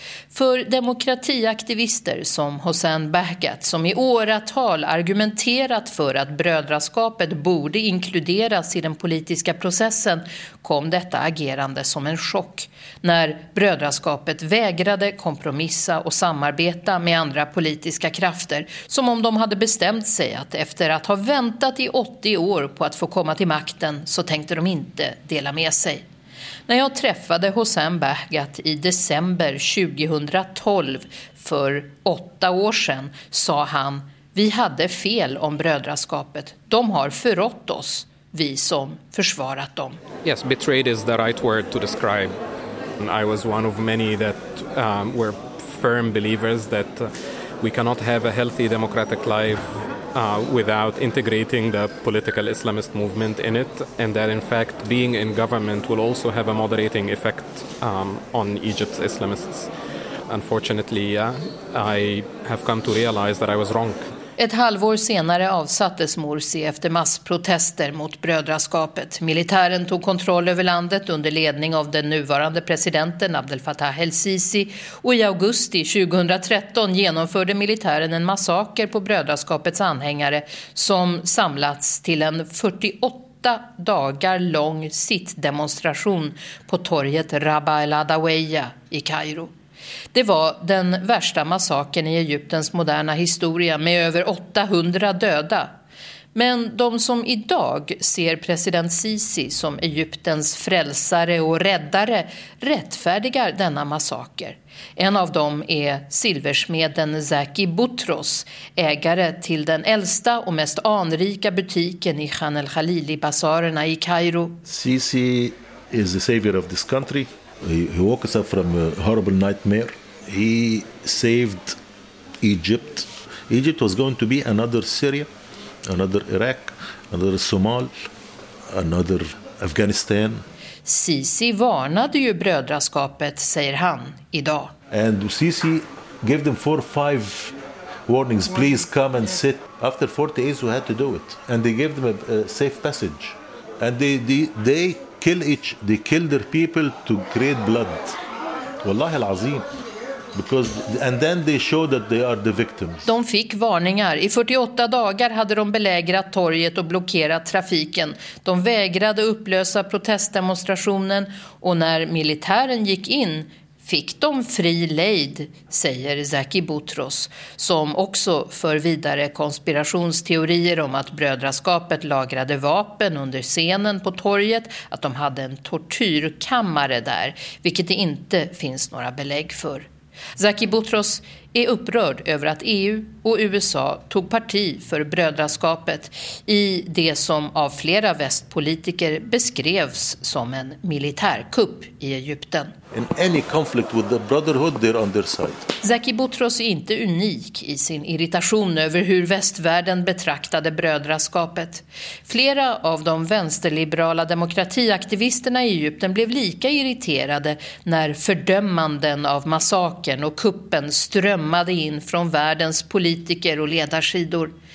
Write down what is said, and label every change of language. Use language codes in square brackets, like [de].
[sv] För demokratiaktivister som Hossein Bahkat, som i åratal argumenterat för att brödraskapet borde inkluderas i den politiska processen, kom detta agerande som en chock när brödraskapet vägrade kompromissa och samarbeta med andra politiska krafter, som om de hade bestämt sig att efter att ha väntat i 80 år på att få komma till makten så tänkte de inte dela med sig. När jag träffade Hossein Bahkat i december 2012, för 8 år sedan, sa han: vi hade fel om brödraskapet. De har förrått oss, vi som försvarat dem. [en] Yes, betrayed is the right word to describe. I was one of many that were firm believers that we cannot have a healthy democratic life without integrating the political Islamist movement in it, and that in fact being in government will also have a moderating effect on Egypt's Islamists. Unfortunately, I have come to realize that I was wrong. [sv] Ett halvår senare avsattes Morsi efter massprotester mot brödraskapet. Militären tog kontroll över landet under ledning av den nuvarande presidenten Abdel Fattah el-Sisi, och i augusti 2013 genomförde militären en massaker på brödraskapets anhängare som samlats till en 48 dagar lång sittdemonstration på torget Rabba el-Adawiya i Kairo. Det var den värsta massakern i Egyptens moderna historia, med över 800 döda. Men de som idag ser president Sisi som Egyptens frälsare och räddare rättfärdigar denna massaker. En av dem är silversmeden Zaki Boutros, ägare till den äldsta och mest anrika butiken i Khan el Khalili-basarerna i Kairo. [en] Sisi is the savior of this country. He woke us up from a horrible nightmare. He saved Egypt. Egypt was going to be another Syria, another Iraq, another Somal, another Afghanistan. [sv] Sisi varnade ju brödraskapet, säger han idag. [en] And Sisi gave them 4 or 5 warnings. Please come and sit. After 40 days we had to do it. And they gave them a safe passage. And they kill their people to create blood. [ar] Wallahi al-azim. [en] And then they show that they are the victims. [sv] De fick varningar. I 48 dagar hade de belägrat torget och blockerat trafiken. De vägrade upplösa protestdemonstrationen, och när militären gick in fick de fri lejd, säger Zaki Boutros, som också för vidare konspirationsteorier om att brödraskapet lagrade vapen under scenen på torget, att de hade en tortyrkammare där, vilket det inte finns några belägg för. Zaki Boutros är upprörd över att EU och USA tog parti för brödraskapet i det som av flera västpolitiker beskrevs som en militärkupp i Egypten. [en] In any conflict with the brotherhood, they're on their side. [sv] Zaki Boutros är inte unik i sin irritation över hur västvärlden betraktade brödraskapet. Flera av de vänsterliberala demokratiaktivisterna i Egypten blev lika irriterade när fördömanden av massakern och kuppen strömmade in från världens politiker och ledarsidor.